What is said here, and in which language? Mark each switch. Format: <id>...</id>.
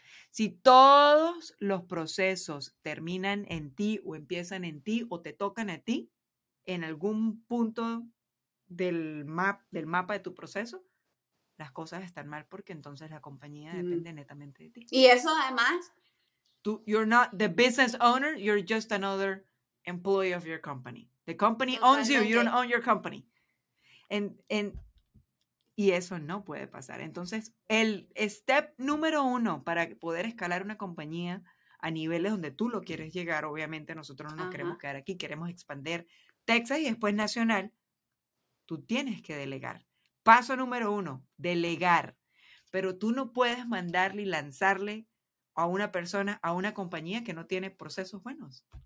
<es>Si todos los procesos terminan en ti o empiezan en ti o te tocan a ti, en algún punto del mapa de tu proceso, las cosas están mal porque entonces la compañía depende netamente de ti. Y eso además...</es> <en>You're not the business owner, you're just another employee of your company. The company owns you, you don't own your company.</en> <es>Y eso no puede pasar. Entonces, el step número uno para poder escalar una compañía a niveles donde tú lo quieres llegar, obviamente nosotros no nos queremos quedar aquí, queremos expandir Texas y después nacional, tú tienes que delegar. Paso número uno, delegar. Pero tú no puedes mandarle y lanzarle a una persona, a una compañía que no tiene procesos buenos.</es>